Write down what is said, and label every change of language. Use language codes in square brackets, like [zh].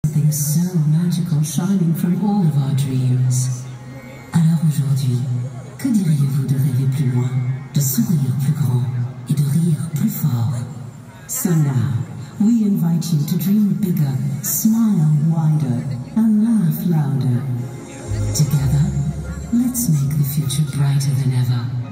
[en] seems so magical, shining from all of our dreams. [fr] Alors aujourd'hui, que diriez-vous de rêver plus loin, de sourire plus grand et de rire plus fort? [en] So now, we invite you to dream bigger, smile wider, and laugh louder. Together, let's make the future brighter than ever.